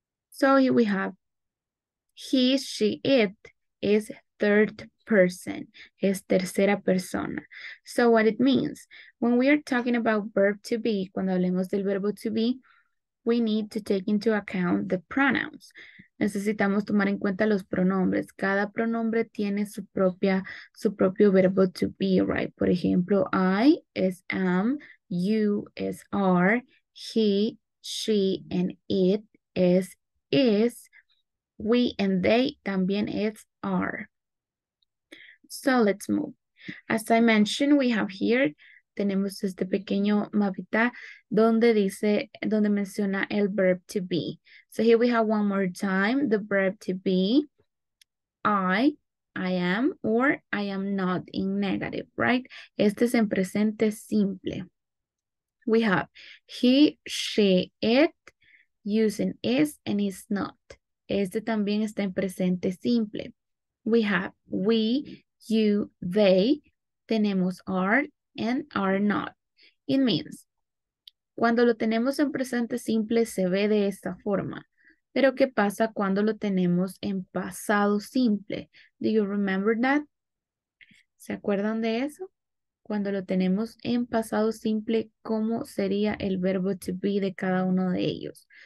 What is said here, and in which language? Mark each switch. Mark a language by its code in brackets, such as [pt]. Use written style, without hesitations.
[en] So here we have he, she, it is third person, [es] es tercera persona. [en] So what it means, when we are talking about verb to be, [es] cuando hablemos del verbo to be, [en] we need to take into account the pronouns. [es] Necesitamos tomar en cuenta los pronombres. Cada pronombre tiene su propio verbo to be, right? Por ejemplo, I is am, you is are, he, she, and it is, we and they también is are. [en] So let's move. As I mentioned, we have here, [es] tenemos este pequeño mapita donde dice, donde menciona el verb to be. [en] So here we have one more time, the verb to be, I am, or I am not in negative, right? [es] Este es en presente simple. [en] We have he, she, it, using is and is not. [es] Este también está en presente simple. [en] We have we, you, they, [es] tenemos [en] are, and are not. It means, [es] cuando lo tenemos en presente simple, se ve de esta forma. Pero, ¿qué pasa cuando lo tenemos en pasado simple? [en] Do you remember that? [es] ¿Se acuerdan de eso? Cuando lo tenemos en pasado simple, ¿cómo sería el verbo to be de cada uno de ellos?